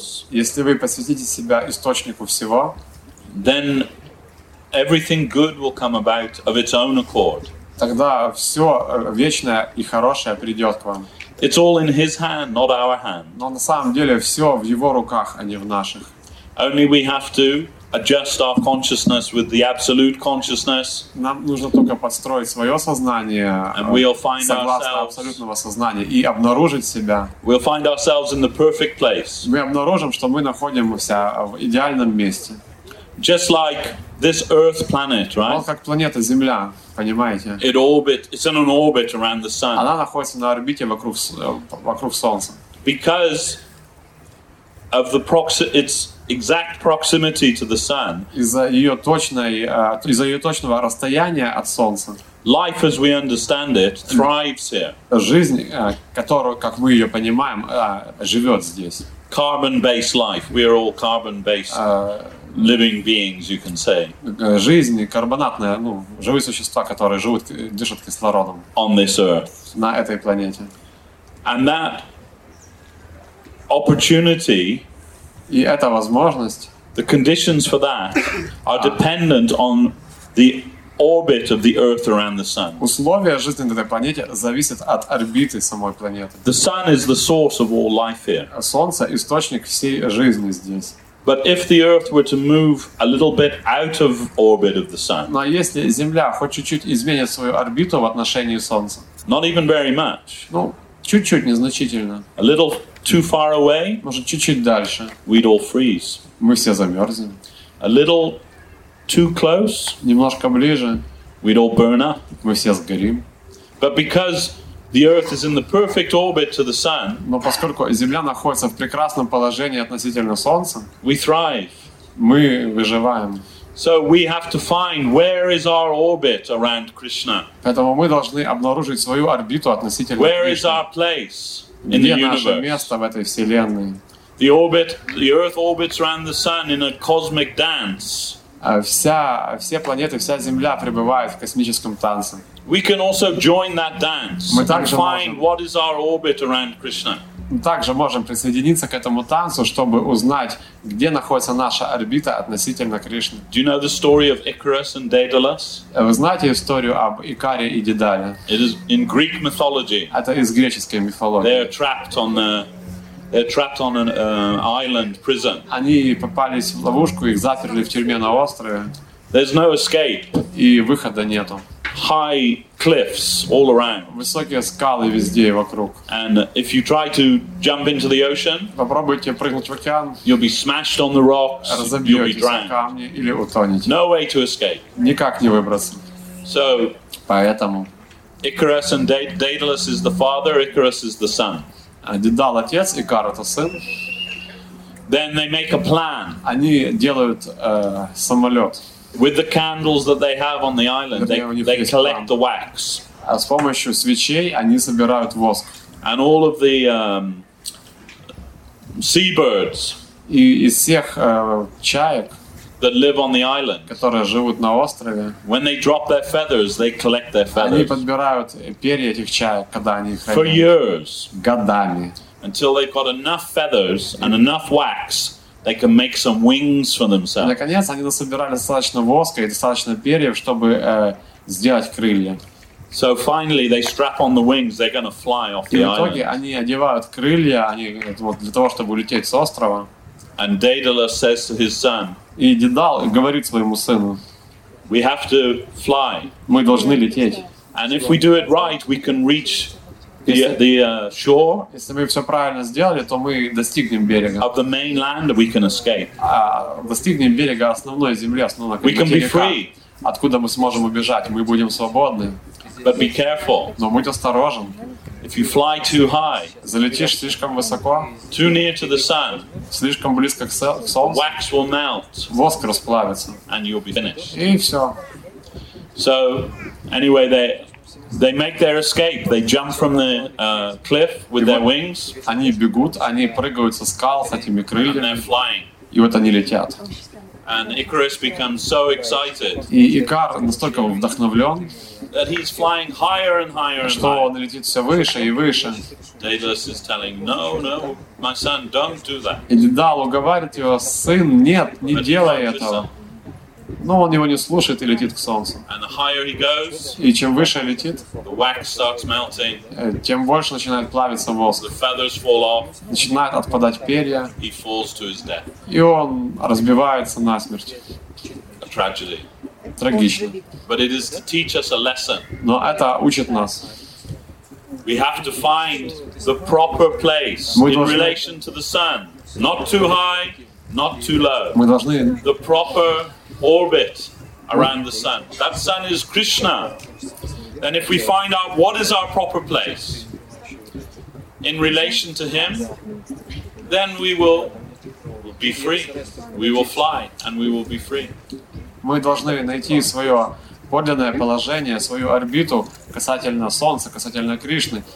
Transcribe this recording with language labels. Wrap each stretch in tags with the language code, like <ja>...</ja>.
<ru>Если вы посвятите себя источнику всего,</ru> <en>then everything good will come about of its own accord.</en> <ru>Тогда все вечное и хорошее придет к вам.</ru> <en>It's all in His hand, not our hand.</en> <ru>Но на самом деле все в Его руках, а не в наших.</ru> <en>Only we have to adjust our consciousness with the absolute consciousness.</en> <ru>Нам нужно только подстроить свое сознание согласно абсолютного сознания и обнаружить себя.</ru> <en>We'll find ourselves in the perfect place.</en> <ru>Мы обнаружим, что мы находимся в идеальном месте.</ru> <en>Just like this Earth planet, right?</en> <ru>Вот как планета Земля, понимаете?</ru> <en>It orbits. It's in an orbit around the Sun.</en> <ru>Она находится на орбите вокруг Солнца.</ru> <en>Because of the its exact proximity to the Sun.</en> <ru>Из-за ее точного расстояния от Солнца.</ru> <en>Life, as we understand it, thrives here.</en> <ru>Жизнь, которую, как мы ее понимаем, живет здесь.</ru> <en>Carbon-based life. We are all carbon-based. Living beings, you can say.</en> <ru>Жизнь карбонатная, ну, живые существа, которые живут, дышат кислородом.</ru> <en>On this earth.</en> <ru>На этой планете.</ru> <en>And that opportunity.</en> <ru>И эта возможность.</ru> <en>The conditions for that are dependent on the orbit of the Earth around the Sun.</en> <ru>Условия жизни на этой планете зависят от орбиты самой планеты.</ru> <en>The Sun is the source of all life here.</en> <ru>Солнце источник всей жизни здесь.</ru> <en>But if the Earth were to move a little bit out of orbit of the Sun,</en> <ru>но если Земля хоть чуть-чуть изменит свою орбиту в отношении Солнца,</ru> <en>not even very much,</en> <ru>ну чуть-чуть незначительно,</ru> <en>a little too far away,</en> <ru>может чуть-чуть дальше,</ru> <en>we'd all freeze,</en> <ru>мы все замерзнем,</ru> <en>a little too close,</en> <ru>немножко ближе,</ru> <en>we'd all burn up,</en> <ru>мы все сгорим,</ru> <en>but because the Earth is in the perfect orbit to the Sun.</en> <ru>Но поскольку Земля находится в прекрасном положении относительно Солнца,</ru> <en>we thrive.</en> <ru>Мы выживаем.</ru> <en>So we have to find where is our orbit around Krishna.</en> <ru>Поэтому мы должны обнаружить свою орбиту относительно</ru> <en>where</en> <ru>Кришны.</ru> <en>Where is our place in the universe?</en> <ru>Где наше место в этой вселенной?</ru> <en>The orbit, the Earth orbits around the Sun in a cosmic dance.</en> <ru>Все планеты, вся Земля пребывает в космическом танце.</ru> <en>We can also join that dance and find</en> <ru>можем,</ru> <en>what is our orbit around Krishna.</en> <ru>Мы также можем присоединиться к этому танцу, чтобы узнать, где находится наша орбита относительно Кришны.</ru> <en>Do you know the story of Icarus and Daedalus?</en> <ru>Вы знаете историю об Икаре и Дедале?</ru> <en>It is in Greek mythology.</en> <ru>Это из греческой мифологии.</ru> <en>They are trapped on an island prison.</en> <ru>Они попались в ловушку, их заперли в тюрьме на острове.</ru> <en>There's no escape.</en> <ru>И выхода нету.</ru> <en>High cliffs all around.</en> <ru>Высокие скалы везде вокруг.</ru> <en>And if you try to jump into the ocean,</en> <ru>попробуйте прыгнуть в океан,</ru> <en>you'll be smashed on the rocks,</en> <ru>разобьетесь о камни или утонете.</ru> <en>No way to escape.</en> <ru>Никак не выбраться.</ru> <en>So,</en> <ru>поэтому</ru> <en>Icarus and Daedalus is the father, Icarus is the son.</en> <ru>Дедал отец, Икар это сын.</ru> <en>Then they make a plan.</en> <ru>Они делают самолет.</ru> <en>With the candles that they have on the island, they collect the wax.</en> <ru>А с помощью свечей они собирают воск.</ru> <en>And all of the seabirds.</en> <ru>И из всех чаек.</ru> <en>That live on the island.</en> <ru>Которые живут на острове.</ru> <en>When they drop their feathers, they collect their feathers.</en> <ru>Они подбирают перья этих чаек, когда они их хранят.</ru> <en>For years.</en> <ru>Годами.</ru> <en>Until they've got enough feathers and enough wax. They can make some wings for themselves.</en> <ru>Наконец, они насобирали достаточно воска и достаточно перьев, чтобы сделать крылья.</ru> <en>So finally they strap on the wings, they're going to fly off the island.</en> <ru>В итоге они одевают крылья, они вот для того, чтобы улететь с острова.</ru> <en>And Daedalus says to his son.</en> <ru>И Дедал говорит своему сыну.</ru> <en>We have to fly.</en> <ru>Мы должны лететь.</ru> <en>And if we do it right, we can reach the shore.</en> <ru>Если мы все правильно сделали, то мы достигнем берега.</ru> <en>Of the mainland, we can escape.</en> <ru>Достигнем берега основной земли, основного континента.</ru> <en>We can be free.</en> <ru>Откуда мы сможем убежать? Мы будем свободны.</ru> <en>But be careful.</en> <ru>Но будь осторожен.</ru> <en>If you fly too high,</en> <ru>залетишь слишком высоко.</ru> <en>Too near to the sun,</en> <ru>слишком близко к солнцу.</ru> <en>Wax will melt.</en> <ru>Воск расплавится.</ru> <en>And you'll be finished.</en> <ru>И все.</ru> <en>So, anyway, they make their escape. They jump from the cliff with their wings.</en> <ru>Они бегут, они прыгают со скал с этими крыльями.</ru> <en>And they're flying.</en> <ru>И вот они летят.</ru> <en>And Icarus becomes so excited.</en> <ru>И Икар настолько вдохновлен,</ru> <en>that he's flying higher and higher.</en> <ru>Что он летит все выше и выше.</ru> <en>Daedalus is telling, no, no, my son, don't do that.</en> <ru>И Дедал уговаривает его, сын, нет, не делай этого. Но он его не слушает и летит к солнцу.</ru> <en>And the higher he goes,</en> <ru>и чем выше летит,</ru> <en>the wax starts melting,</en> <ru>тем больше начинает плавиться воск.</ru> <en>The feathers fall off,</en> <ru>начинает отпадать перья.</ru> <en>He falls to his death.</en> <ru>И он разбивается насмерть.</ru> <en>A tragedy.</en> <ru>Трагично.</ru> <en>But it is to teach us a lesson.</en> <ru>Но это учит нас.</ru> <en>We have to find the proper place in relation to the sun. Not too high, not too low.</en> <ru>Мы должны</ru> <en>the proper orbit around the sun. That sun is Krishna. Then if we find out what is our proper place in relation to him, then we will be free. We will fly and we will be free.</en> <ru>Мы должны найти своё подлинное положение, свою орбиту касательно солнца, касательно Кришны.</ru>